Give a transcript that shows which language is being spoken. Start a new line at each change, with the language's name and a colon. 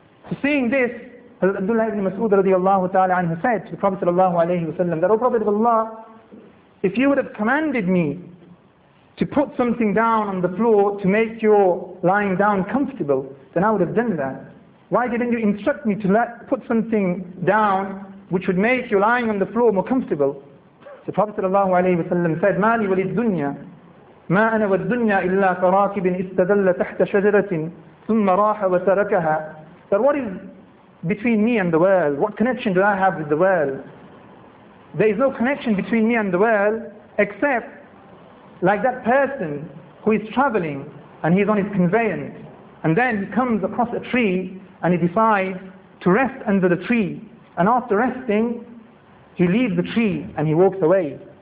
English: So seeing this, Hazrat Abdullah ibn Mas'ud radiallahu ta'ala anhu said to the Prophet sallallahu alayhi wa sallam, that O Prophet of Allah, if you would have commanded me to put something down on the floor to make your lying down comfortable, then I would have done that. Why didn't you instruct me to put something down which would make your lying on the floor more comfortable? So Prophet sallallahu alayhi wa sallam said,
Arabic: مَا لِي وَلِي الدُّنْيَا مَا أَنَا وَالدُّنْيَا إِلَّا كَرَاكِبٍ إِسْتَدَلَّ تَحْتَ شَجَرَةٍ ثُمَّ رَاحَ وَتَرَكَهَا.
English: But what is between me and the world? What connection do I have with the world? There is no connection between me and the world except like that person who is traveling and he's on his conveyance, and then he comes across a tree and he decides to rest under the tree, and after resting he leaves the tree and he walks away.